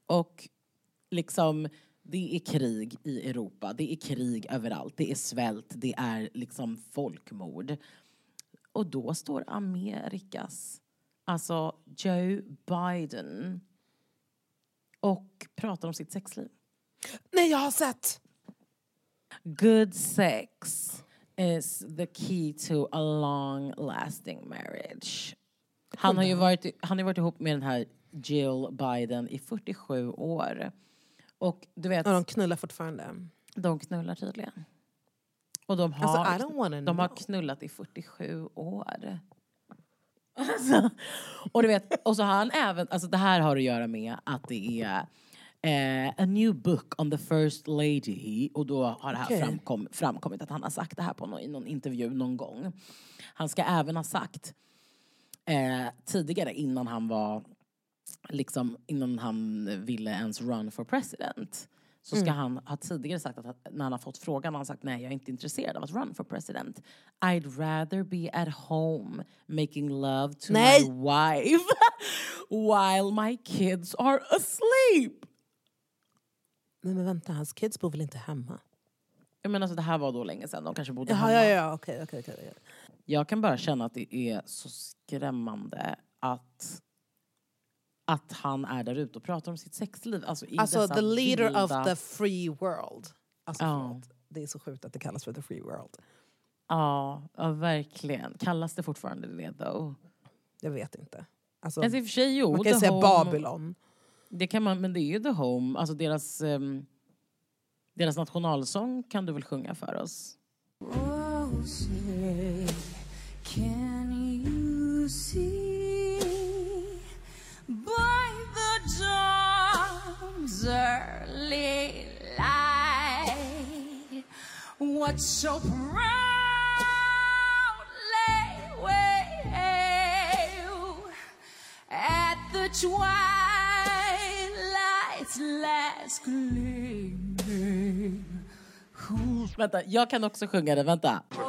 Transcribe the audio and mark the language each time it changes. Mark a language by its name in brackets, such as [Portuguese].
[Swedish] Och liksom, det är krig i Europa. Det är krig överallt. Det är svält. Det är liksom folkmord. Och då står Amerikas, alltså Joe Biden, och pratar om sitt sexliv. Nej, jag har sett. [English] Good sex is the key to a long lasting marriage. [Swedish] Han har ju varit ihop med den här Jill Biden i 47 år. Och du vet, och de knullar fortfarande. De knullar tydligen. Och de har, alltså, [English] I don't wanna [Swedish] de har knullat i 47 år. Alltså, och du vet, och så han även, alltså det här har att göra med att det är [English] a new book on the first lady. [Swedish] Och då har det här framkommit att han har sagt det här på någon intervju någon gång. Han ska även ha sagt tidigare innan han var, liksom innan han ville ens [English] run for president, [Swedish] så ska han ha tidigare sagt att när han har fått frågan har han sagt nej, jag är inte intresserad av att run for president. [English] I'd rather be at home making love to my wife while my kids are asleep. [Swedish] Nej, men vänta, hans kids bor väl inte hemma? Jag menar, alltså, det här var då länge sedan. De kanske bodde hemma. Ja, ja, okej. Jag kan bara känna att det är så skrämmande att han är där ute och pratar om sitt sexliv. Alltså [English] the leader of the free world. [Swedish] Alltså, det är så sjukt att det kallas för [English] the free world. [Swedish] Ja, verkligen. Kallas det fortfarande det, though? Jag vet inte. Alltså, i och för sig, man kan säga Babylon. Det kan man, men det är ju The Home. Alltså deras nationalsång kan du väl sjunga för oss? [English] Oh, say, can you see by the dawn's early light what so proudly we hail at the twilight last gleaming. [Swedish] Vänta, jag kan också sjunga det, vänta.